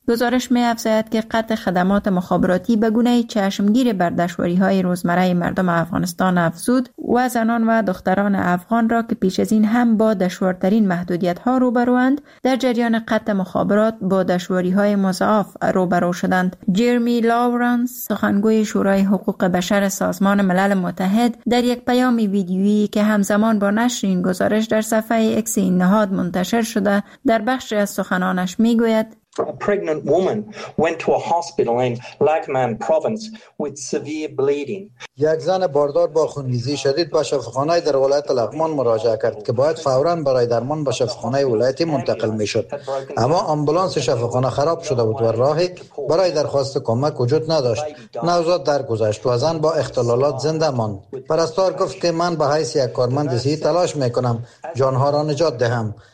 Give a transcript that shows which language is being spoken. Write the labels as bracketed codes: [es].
[fa] گزارش می افزاید که قطع خدمات مخابراتی به گونه چشمگیر بر دشواری‌های روزمره مردم افغانستان افزود و زنان و دختران افغان را که پیش از این هم با دشوارترین محدودیت‌ها روبرواند در جریان قطع مخابرات با دشواری‌های مضاعف روبرو شدند. جرمی لاورنس، سخنگوی شورای حقوق بشر سازمان ملل متحد، در یک پیام ویدیویی که همزمان با نشر این گزارش در صفحه اکس این نهاد منتشر شده، در بخشی از سخنانش می‌گوید: [en] A pregnant woman went to a hospital in Lakhman province with severe bleeding. [fa] یک زن باردار با خونریزی شدید به شفاخانه در ولایت لغمان مراجعه کرد که باید فوراً برای درمان به شفاخانه ولایتی منتقل می‌شد. اما آمبولانس شفاخانه خراب شده بود و راهی برای درخواست کمک وجود نداشت. نوزاد درگذشت و زن با اختلالات زنده ماند. پرستار گفت که من به حیث یک کارمند صحی تلاش می‌کنم جان‌ها را نجات دهم.